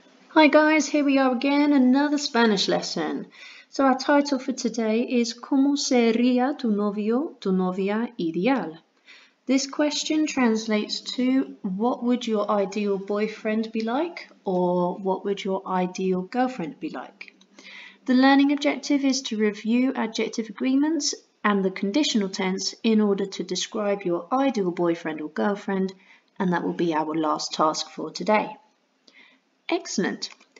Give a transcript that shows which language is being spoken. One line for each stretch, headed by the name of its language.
English: Hi guys, here we are again, another Spanish lesson. So our title for today is
Spanish: ¿Cómo sería tu novio, tu novia ideal?
English: This question translates to what would your ideal boyfriend be like or what would your ideal girlfriend be like? The learning objective is to review adjective agreements and the conditional tense in order to describe your ideal boyfriend or girlfriend, and that will be our last task for today. Excellent.